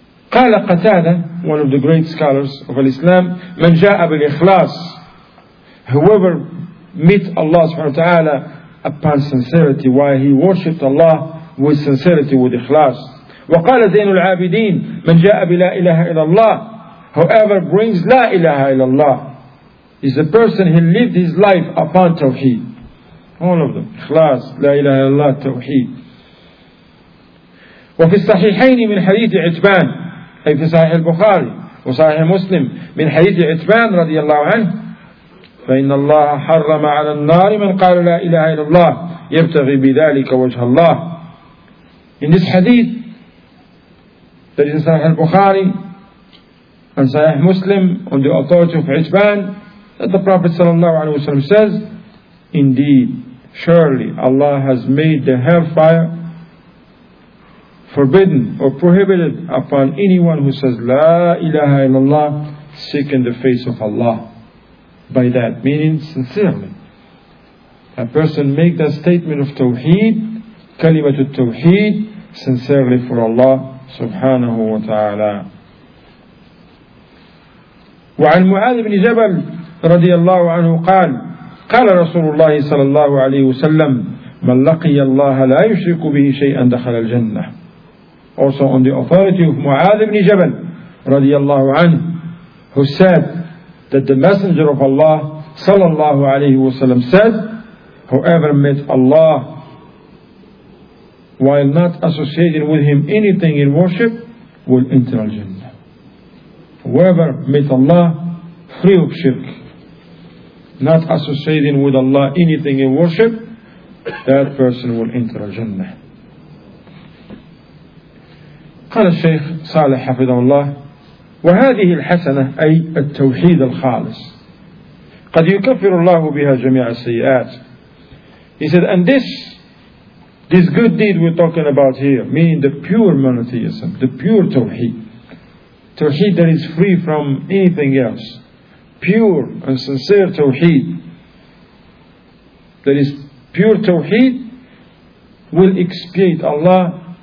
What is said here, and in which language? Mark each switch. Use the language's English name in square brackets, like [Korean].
[Arabic] قال [English] قتادة, one of the great scholars of Islam, [Arabic] من جاء بالإخلاص, [English] whoever met Allah subhanahu wa ta'ala upon sincerity, while he worshipped Allah with sincerity, with إخلاص. [Arabic] وقال [English] زين العابدين, [Arabic] من جاء بلا إله إلا الله, [English] whoever brings لا إله إلا الله, is the person who lived his life upon Tawheed. All of them, [Arabic] إخلاص, لا إله إلا الله, Tawheed. وفي الصحيحين من حديث عتبان, أي في صحيح البخاري وصحيح مسلم, من حديث عتبان رضي الله عنه, فإن الله حرم على النار من قال لا إله إلا الله يبتغي بذلك وجه الله. [English] In this hadith that is in صحيح البخاري and صحيح مسلم on the authority of عتبان, that the Prophet صلى الله عليه وسلم says, indeed, surely Allah has made the hellfire forbidden or prohibited upon anyone who says La ilaha illallah, seek in the face of Allah. By that, meaning sincerely, a person make that statement of Tawheed, Kalimatul Tawheed, sincerely for Allah subhanahu wa ta'ala. [Arabic] وعن معاذ بن جبل رضي الله عنه قال قال رسول الله صلى الله عليه وسلم من لقي الله لا يشرك به شيئا دخل الجنة. [English] Also on the authority of Mu'adh ibn Jabal radiyallahu anhu, who said that the Messenger of Allah sallallahu alayhi wa sallam said, whoever met Allah while not associating with him anything in worship, will enter al-Jannah. Whoever met Allah free of shirk, not associating with Allah anything in worship, that person will enter al-Jannah. [Arabic] قال الشيخ صالح حفظه الله وهذه الحسنة أي التوحيد الخالص قد يكفر الله بها جميع السيئات. [English] He said, and this good deed we're talking about here, meaning the pure monotheism, the pure tawheed, tawheed that is free from anything else, pure and sincere tawheed, that is pure tawheed, will expiate Allah.